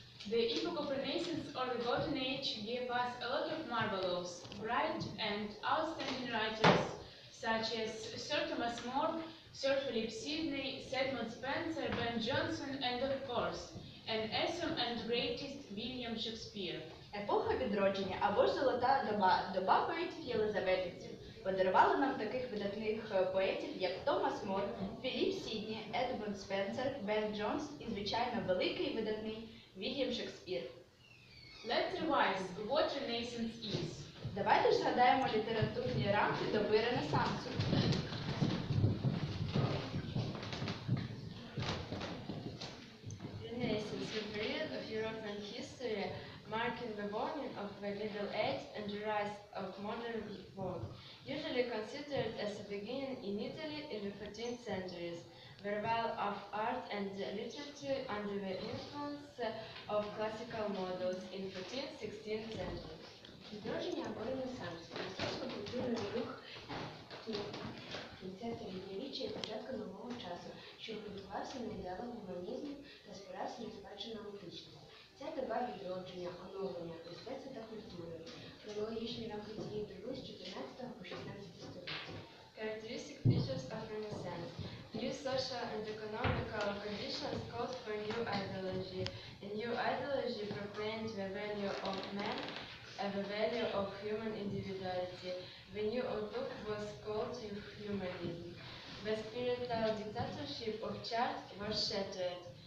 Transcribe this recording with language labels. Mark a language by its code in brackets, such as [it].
[en] The epoch of Renaissance or the Golden Age gave us a lot of marvelous, bright and outstanding writers such as Sir Thomas More, Sir Philip Sidney, Edmund Spencer, Ben Jonson, and of course, an awesome and greatest William Shakespeare. [uk] Епоха Відродження або ж Золота доба поетів Єлизаветівців подарували нам таких видатних поетів, як Томас Мор, Філіп Сідні, Едмунд Спенсер, Бен Джонс і, звичайно, великий видатний Вільям Шекспір. [en] Let's revise what Renaissance is. [uk] Давайте ж згадаємо літературні рамки доби Ренесансу. [en] Renaissance, a period of European history marking the dawning of the Middle Age and the rise of modern world, usually considered as a beginning in Italy in the 14th century. The revival of art and literature under the influence of classical models in 14th, 16th century. [uk] Відродження або Ренесанс – російський культурний рух кінця середньовіччя і початку нового часу, що будувався на ідеалах гуманізму та спирався на спадщину античності. Ця доба відродження, оновлення, просвіти та культури. Хронологічні рамки цієї доби з 14 по 16 століття. [en] Characteristic features of Renaissance. New social and economical conditions called for new ideology. A new ideology proclaimed the value of man and the value of human individuality. The new outlook was called humanism. The spiritual dictatorship of church was shattered.